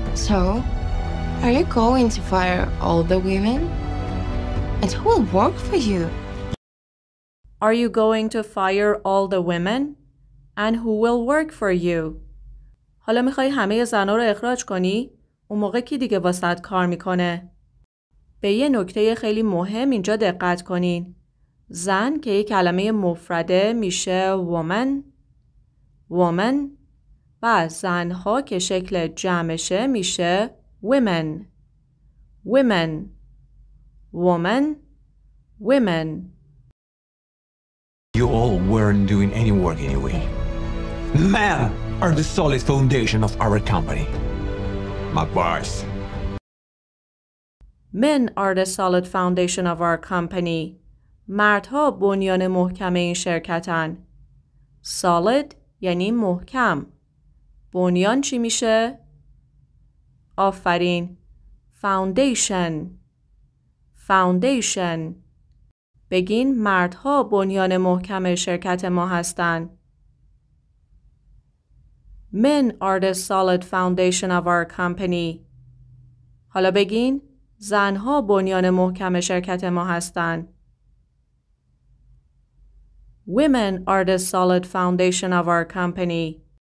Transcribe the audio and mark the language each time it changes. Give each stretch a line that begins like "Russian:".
English: So, are you going to fire all the women? And who will work for you? Are you going to fire all the women? And who will work for you?
Persian: حالا میخوای همه زنها رو اخراج کنی؟ اون موقع کی دیگه واسط کار میکنه؟ به یه نکته خیلی مهم اینجا دقت کنین. زن که یه کلمه مفرده میشه woman.
English: Woman.
Persian: و زنها که شکل جمعشه میشه women.
English: Women. Woman. Women. You all weren't doing any work anyway. Men are the solid foundation of our company. My boss. Men are the solid foundation of our company.
Persian: مردها بنیان محکم این شرکتن. Solid یعنی محکم. بنیان چی میشه؟ آفرین.
English: Foundation. Foundation.
Persian: بگین مردها بنیان محکم شرکت ما هستن.
English: Men are the solid foundation of our company.
Persian: حالا بگین زنها بنیان محکم شرکت ما هستن.
English: Women are the solid foundation of our company.